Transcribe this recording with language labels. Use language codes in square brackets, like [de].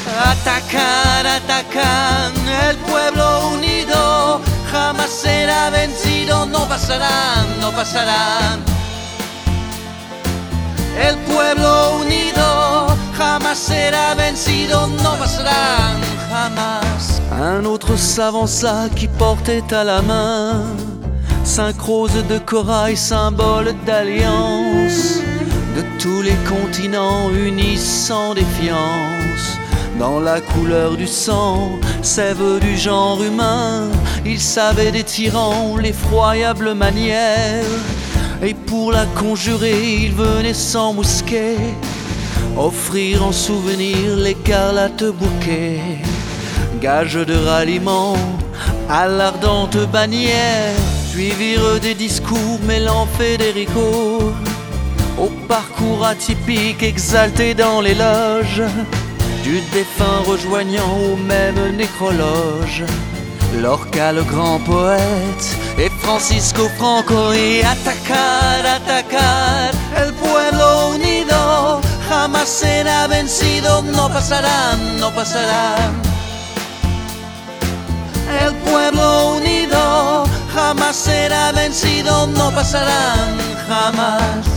[es] Atacan, atacan, el pueblo unido, jamás será vencido, no pasarán, no pasarán. El pueblo unido, jamás será vencido, no pasarán, jamás. [fr] Un autre s'avança qui portait à la main cinq roses de corail, symbole d'alliance, de tous les continents unis sans défiance. Dans la couleur du sang, sève du genre humain, il savait des tyrans l'effroyable manière. Et pour la conjurer, il venait sans mousquet offrir en souvenir l'écarlate bouquet, gage de ralliement à l'ardente bannière. Suivirent des discours mêlant Federico au parcours atypique exalté dans les loges du défunt, rejoignant au même nécrologe Lorca le grand poète et Francisco Franco. [es] Y atacar, atacar, el pueblo unido, jamás será vencido, no pasarán, no pasarán. El pueblo unido, jamás será vencido, no pasarán, jamás.